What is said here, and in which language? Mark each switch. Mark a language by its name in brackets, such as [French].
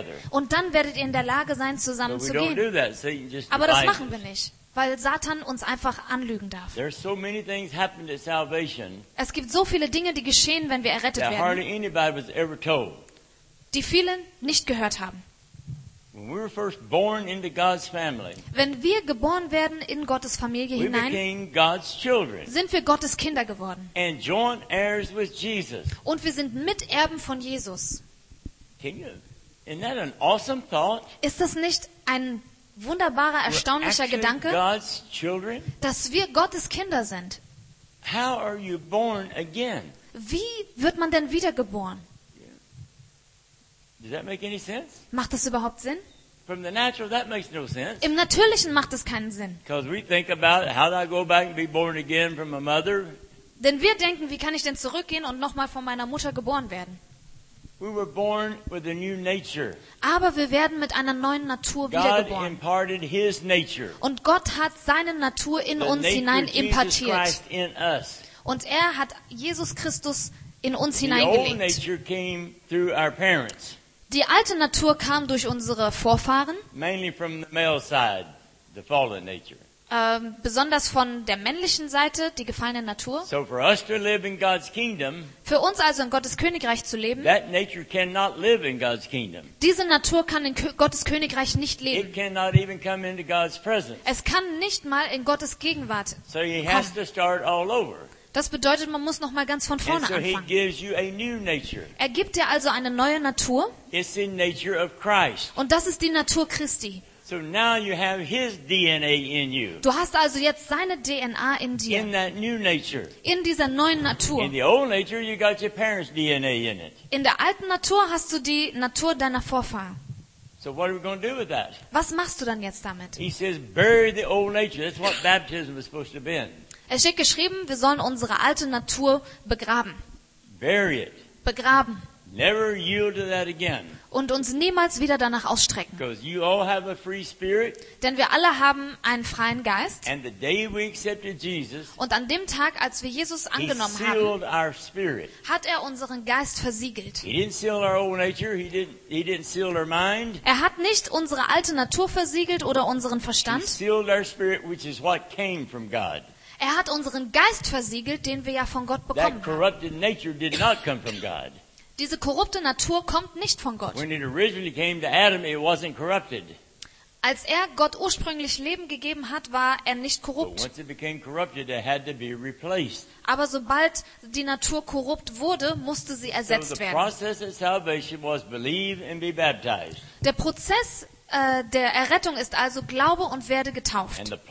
[German] Und dann werdet ihr in der Lage sein, zusammen zu gehen. Aber das machen wir nicht. Weil Satan uns einfach anlügen darf. [English] There are so many things happen to salvation, [German] es gibt so viele Dinge, die geschehen, wenn wir errettet [English] that [German] werden, [English] hardly anybody was ever told. [German] Die viele nicht gehört haben. [English] When we were first born into God's family, [German] wenn wir geboren werden in Gottes Familie [English] we [German] hinein, [English] became God's children, [German] sind wir Gottes Kinder geworden. [English] And joint heirs with Jesus. [German] Und wir sind Miterben von Jesus. [English] Isn't that an awesome thought? [German] Ist das nicht ein wunderbarer, erstaunlicher Gedanke, dass wir Gottes Kinder sind. [English] How are you born again? [German] Wie wird man denn wiedergeboren? [English] Does that make any sense? [German] Macht das überhaupt Sinn? [English] From the natural, that makes no sense. [German] Im Natürlichen macht das keinen Sinn. [English] Because we think about how do I go back and be born again from a mother? [German] Denn wir denken, wie kann ich denn zurückgehen und nochmal von meiner Mutter geboren werden? [English] We were born with a new nature. [German] Aber wir werden mit einer neuen Natur wiedergeboren. [English] God imparted his nature. [German] Und Gott hat seine Natur in uns hinein impartiert. Und er hat Jesus Christus in uns hineingelegt. [English] The old nature came through our parents. [German] Die alte Natur kam durch unsere Vorfahren. [English] Mainly from the male side, the fallen nature. [German] besonders von der männlichen Seite, die gefallene Natur. [English] So for us to live in God's kingdom, [German] für uns also in Gottes Königreich zu leben, [English] that nature cannot live in God's kingdom. [German] Diese Natur kann in Gottes Königreich nicht leben. [English] It cannot even come into God's presence. [German] Es kann nicht mal in Gottes Gegenwart [English] so he [German] kommen. [English] Has to start all over. [German] Das bedeutet, man muss noch mal ganz von vorne [English] so [German] anfangen. [English] He gives you a new nature. [German] Er gibt dir also eine neue Natur. [English] It's the nature of Christ. [German] Und das ist die Natur Christi. [English] So now you have his DNA in you. [German] Du hast also jetzt seine DNA in dir. [English] In that new nature. [German] In dieser neuen Natur. [English] In the old nature you got your parents' DNA in it. [German] In der alten Natur hast du die Natur deiner Vorfahren. [English] So what are we going to do with that? [German] Was machst du dann jetzt damit? [English] He says bury the old nature. That's what baptism was supposed to be. [German] Es steht geschrieben, wir sollen unsere alte Natur begraben. [English] Bury it. [German] Begraben. [English] Never yield to that again. [German] Und uns niemals wieder danach ausstrecken. [English] Because you all have a free spirit. [German] Denn wir alle haben einen freien Geist. [English] And the day we accepted Jesus, [German] und an dem Tag, als wir Jesus angenommen [English] he sealed [German] haben, [English] our spirit. [German] Hat er unseren Geist versiegelt. [English] He didn't seal our old nature. He didn't seal our mind. [German] Er hat nicht unsere alte Natur versiegelt oder unseren Verstand. [English] He sealed our spirit, which is what came from God. [German] Er hat unseren Geist versiegelt, den wir ja von Gott bekommen. [English] That corrupted nature did not come from God. [German] Diese korrupte Natur kommt nicht von Gott. [English] When it originally came to Adam, it wasn't corrupted. [German] Als er Gott ursprünglich Leben gegeben hat, war er nicht korrupt. [English] But once it became corrupted, it had to be replaced. [German] Aber sobald die Natur korrupt wurde, musste sie ersetzt werden. [English] So the process of salvation was believe and be baptized. [German] Der Prozess der Errettung ist also Glaube und werde getauft.